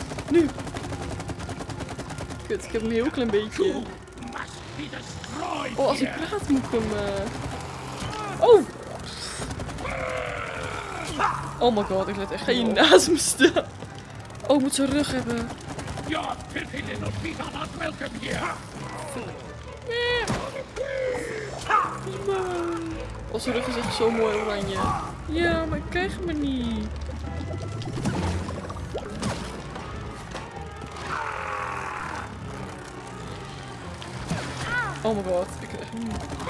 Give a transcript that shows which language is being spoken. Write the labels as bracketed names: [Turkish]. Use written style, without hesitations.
[Dutch] Nu. Kut, ik heb hem heel klein beetje. Oh, als ik praat moet ik hem... Oh my god, ik let echt geen naast me staan. Oh, ik moet zijn rug hebben. [English] Your pity little feet are not welcome here. [Dutch] Nee. Oh, zijn rug is echt zo mooi oranje. Ja, maar ik krijg hem niet. Oh my god, ik krijg hem niet.